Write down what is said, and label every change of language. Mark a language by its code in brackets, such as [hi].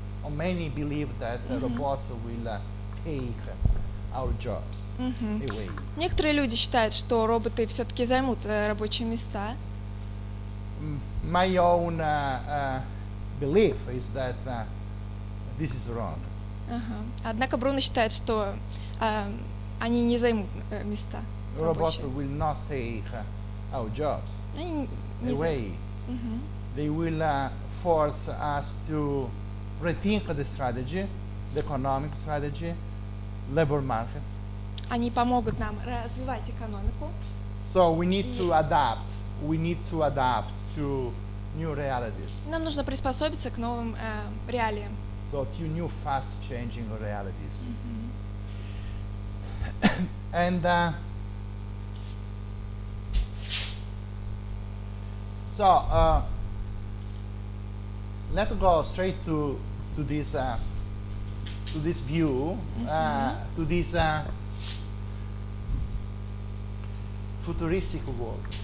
[en] many believe that the robots will take our jobs away. [ru] Некоторые люди считают, что роботы все-таки займут рабочие места. [en] My own belief is that this is wrong. [ru] Однако Бруно считает, что они не займут места. [en] Robots will not take our jobs away. They will force us to rethink the strategy, the economic strategy, labor markets. [ru] Они помогут нам развивать экономику. [en] So we need to adapt. We need to adapt to new realities. [ru] Нам нужно приспособиться к новым реалиям. [en] So to new fast-changing realities. And so let's go straight to this view, to this futuristic world.